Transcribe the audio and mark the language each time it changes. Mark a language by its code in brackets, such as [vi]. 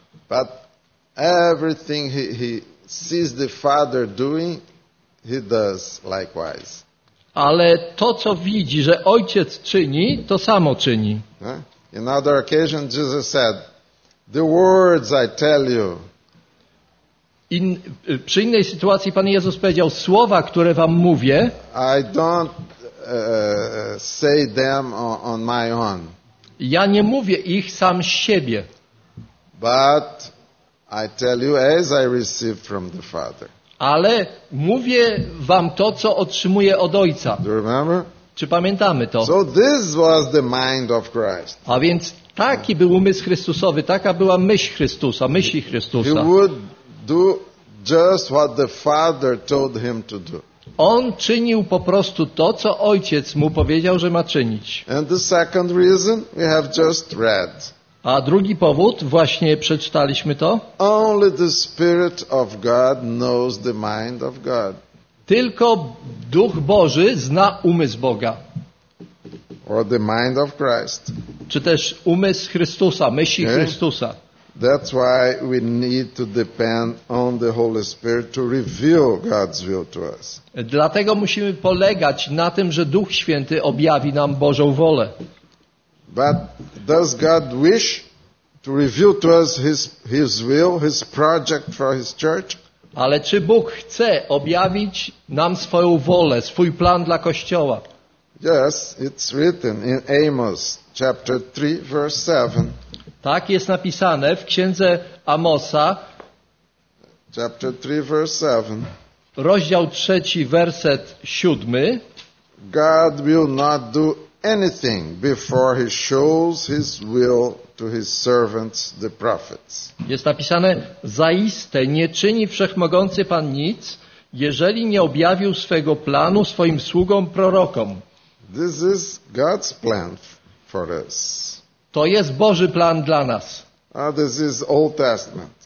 [en] But everything he sees the Father doing, he does likewise. [pl] Ale to, co widzi, że Ojciec czyni, to samo czyni. [en] In other occasion, Jesus said, "The words I tell you." [pl] Przy innej sytuacji Pan Jezus powiedział: "Słowa, które wam mówię." [en] I don't say them on my own. [pl] Ja nie mówię ich sam z siebie. [en] But I tell you as I receive from the Father. [pl] Ale mówię wam to, co otrzymuję od Ojca. [en] Do you remember? [pl] Czy pamiętamy to? [en] So this was the mind of Christ. [pl] A więc taki był umysł Chrystusowy, taka była myśl Chrystusa, myśli Chrystusa. [en] He would do just what the Father told him to do. [pl] On czynił po prostu to, co Ojciec mu powiedział, że ma czynić. [en] And the second reason we have just read. [pl] A drugi powód, właśnie przeczytaliśmy to. [en] Only the Spirit of God knows the mind of God. [pl] Tylko Duch Boży zna umysł Boga. [en] Or the mind of Christ. [pl] Czy też umysł Chrystusa, myśli okay. Chrystusa. [en] That's why we need to depend on the Holy Spirit to reveal God's will to us. [pl] Dlatego musimy polegać na tym, że Duch Święty objawi nam Bożą wolę. [en] But does God wish to reveal to us his will, his project for his church? [pl] Ale czy Bóg chce objawić nam swoją wolę, swój plan dla Kościoła? [en] Yes, it's written in Amos chapter 3 verse 7. [pl] Tak jest napisane w księdze Amosa. [en] Chapter 3 verse 7. [pl] Rozdział 3 werset 7. [en] God will not do anything before he shows his will to his servants the prophets. [pl] Jest napisane: zaiste nie czyni wszechmogący Pan nic, jeżeli nie objawił swego planu swoim sługom prorokom. [en] This is God's plan for us. [pl] To jest Boży plan dla nas. [en] This is Old Testament.